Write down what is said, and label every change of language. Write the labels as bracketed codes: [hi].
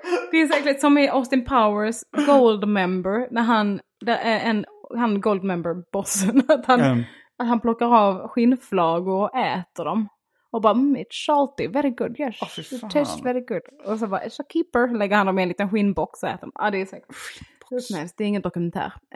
[sv] Det finns äckligt som i Austin Powers Gold Member. När han, det är han Gold Member-bossen. Att han plockar av skinnflagor och äter dem. Och bara, [en] it's salty, very good, yes. Oh, it tastes very good. [sv] Och så bara, [en] it's a keeper. [sv] Lägger han dem i en liten skinnbox och äter dem. Ja, det är säkert. Nej, det är ingen dokumentär.